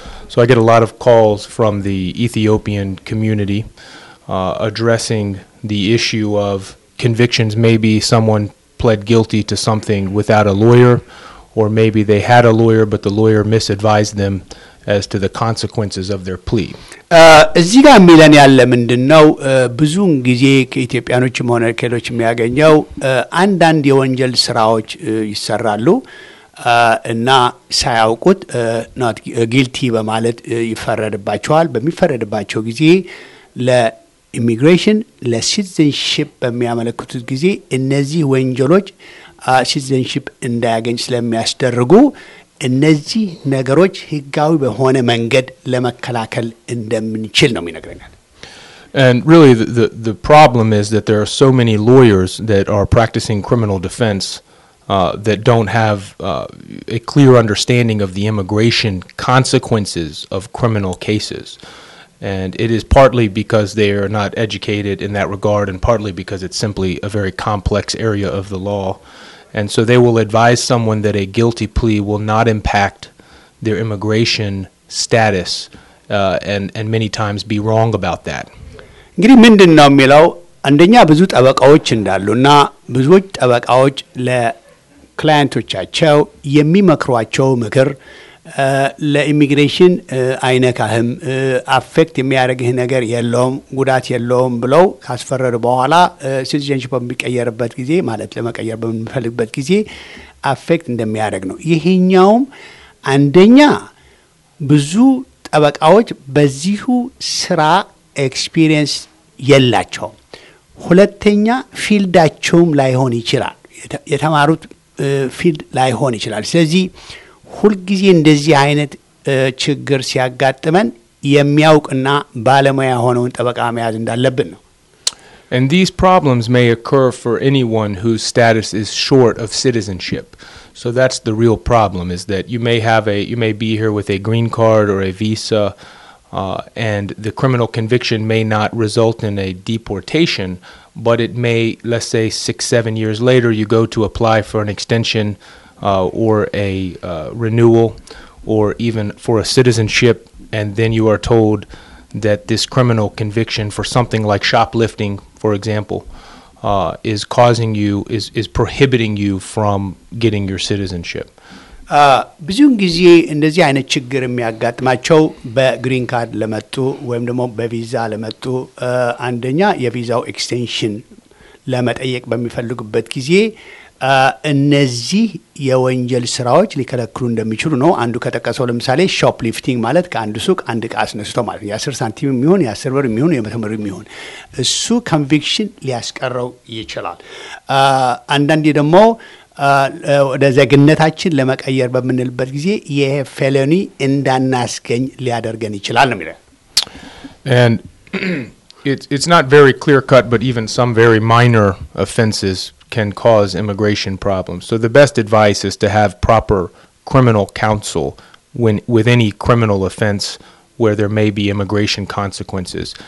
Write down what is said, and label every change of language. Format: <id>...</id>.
<en>So I get a lot of calls from the Ethiopian community addressing the issue of convictions. Maybe someone pled guilty to something without a lawyer, or maybe they had a lawyer, but the lawyer misadvised them as to the consequences of their plea.</en> <am>እዚህ ጋር ሚለን ያለ ምንድነው ብዙን ጊዜ ከኢትዮጵያኖችም ሆነ ከሌሎችም ያገኘው አንዳንድ የወንጀል ስራዎች ይሰራሉ እና ሳይያውቁት</am> <en>not guilty</en> <am>በማለት ይፈረድባቸዋል በሚፈረድባቸው ጊዜ ለኢሚግሬሽን ለሲቲዝንሺፕ በሚያመለክቱት ጊዜ እነዚህ ወንጀሎች ሲቲዝንሺፕ እንዳያገኝ ስለሚያስደርጉ እነዚህ ነገሮች ህጋዊ በሆነ መንገድ ለመከላከል እንደምንችል ነው የሚነግረናል</am> <en>And really the problem is that there are so many lawyers that are practicing criminal defense that don't have a clear understanding of the immigration consequences of criminal cases and it is partly because they are not educated in that regard and partly because it's simply a very complex area of the law And so they will advise someone that a guilty plea will not impact their immigration status and many times be wrong about that.</en> <am>እንግዲህ ምንድነው የሚለው አንደኛ ብዙ ጠበቃዎች እንዳሉና ብዙዎች ጠበቃዎች ለክላይንቶቻቸው የሚመክሯቸው ምክር ለኢሚግሬሽን አይነካህም አፌክት የሚያደርግህ ነገር የለውም ጉዳት የለውም ብለው ካስፈረዱ በኋላ ሲቲዝንሺፕ በሚቀየርበት ጊዜ ማለት ለመቀየር በሚፈልግበት ጊዜ አፌክት እንደሚያደርግ ነው ይሄኛውም አንደኛ ብዙ ጠበቃዎች በዚሁ ስራ ኤክስፒሪየንስ የላቸው ሁለተኛ ፊልዳቸውም ላይሆን ይችላል የተማሩት ፊልድ ላይሆን ይችላል ስለዚህ ሁልጊዜ እንደዚህ አይነት ችግር ሲያጋጥመን የሚያውቅና ባለሙያ ሆነውን ጠበቃ መያዝ እንዳለብን ነው</am> <en>And these problems may occur for anyone whose status is short of citizenship. So that's the real problem is that you may be here with a green card or a visa and the criminal conviction may not result in a deportation but it may let's say 6-7 years later you go to apply for an extension or a renewal or even for a citizenship and then you are told that this criminal conviction for something like shoplifting for example is prohibiting you from getting your citizenship</en> <am>ብዙን ጊዜ እንደዚህ አይነት ችግር የሚያጋጥማቸው በግሪን ካርድ ለመጡ ወይም ደግሞ በቪዛ ለመጡ አንደኛ የቪዛው extension ለመጠየቅ በሚፈልጉበት ጊዜ እነዚህ የወንጀል ስራዎች ሊከለክሉ እንደሚችሉ ነው አንዱ ከተቀሰው ለምሳሌ ሾፕ ሊፍቲንግ ማለት ከአንድ ሱቅ አንድ ዕቃ አስነስቶ ማለት ነው የአስር ሳንቲም የሚሆን የአስር ብር የሚሆን የመቶ ብር የሚሆን እሱ ኮንቪክሽን ሊያስቀረው ይችላል አንዳንዴ ደግሞ ወደ ዜግነታችን ለመቀየር በምንልበት ጊዜ ይሄ ፌሎኒ እንዳናስገኝ ሊያደርገን ይችላል ነው የሚለው</am> <en>It's not very clear cut, but even some very minor offenses can cause immigration problems. So the best advice is to have proper criminal counsel with any criminal offense where there may be immigration consequences.</en>